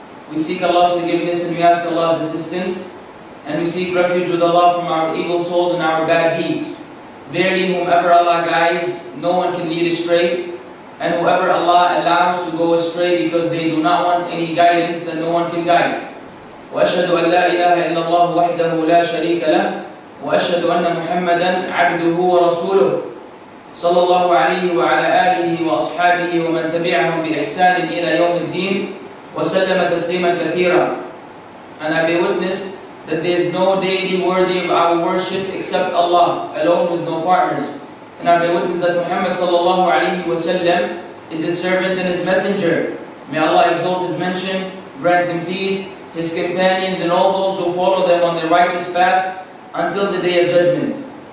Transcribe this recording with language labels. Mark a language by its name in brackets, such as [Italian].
[English] We seek Allah's forgiveness and we ask Allah's assistance. And we seek refuge with Allah from our evil souls and our bad deeds. Verily, whomever Allah guides, no one can lead astray. And whoever Allah allows to go astray because they do not want any guidance, then no one can guide. [Arabic] وأشهد أن لا إله إلا الله وحده لا شريك له وأشهد أن محمدا عبده ورسوله صلى الله عليه وعلى آله وأصحابه ومن تبعهم بإحسان إلى يوم الدين وسلم تسليما كثيرا. [English] And I be witness that there is no deity worthy of our worship except Allah alone with no partners. And I be witness that Muhammad [Arabic] صلى الله عليه وسلم [English] is his servant and his messenger. May Allah exalt his mention, grant him peace, his companions and all those who follow them on their righteous path until the day of judgment.